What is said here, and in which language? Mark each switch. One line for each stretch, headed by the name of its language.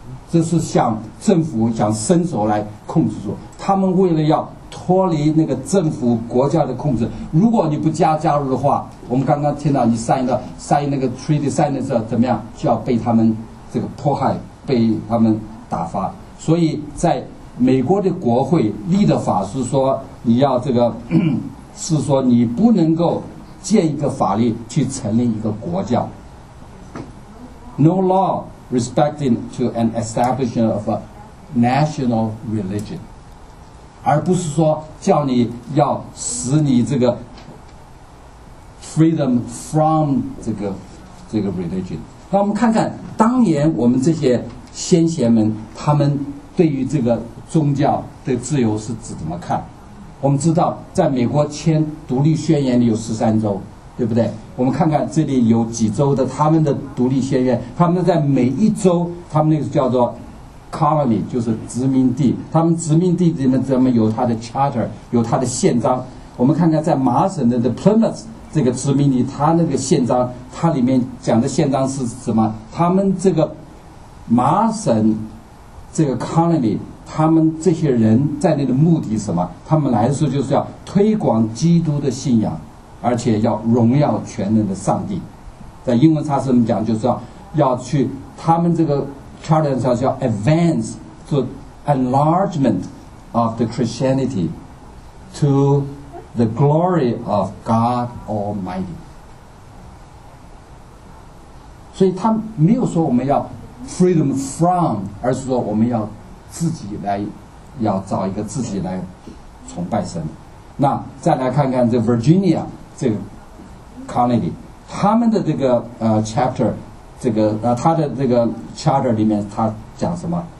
Chinese: 这是向政府想伸手来控制住，他们为了要脱离那个政府国教的控制，如果你不加入的话，我们刚刚听到你signed那个 treaty sign 的时候怎么样，就要被他们这个迫害，被他们打发。所以在美国的国会立的法是说，你要这个是说你不能够建一个法律去成立一个国教。
English: No law respecting to an establishment of a national religion，
Chinese: 而不是说叫你要使你这个 freedom from 这个 religion。那我们看看当年我们这些先贤们他们对于这个宗教的自由是怎么看？我们知道在美国签独立宣言里有13州，对不对？我们看看这里有几州的他们的独立宣言，他们在每一州，他们那个叫做 colony， 就是殖民地，他们殖民地里面怎么有他的 charter， 有他的宪章。我们看看在麻省的 the Plymouth 这个殖民地，他那个宪章，他里面讲的宪章是什么？他们这个麻省这个 colony， 他们这些人在那的目的是什么？他们来的时候就是要推广基督的信仰，而且要荣耀全能的上帝。在英文上是怎么讲？就是要去他们这个 charter 上叫 advance， 做
English: enlargement of the Christianity to the glory of God Almighty。
Chinese: 所以他没有说我们要freedom from， 而是说我们要自己来，要找一个自己来崇拜神。那再来看看这 Virginia 这个 Colony， 他们的这个chapter， 这个他的这个 charter 里面他讲什么？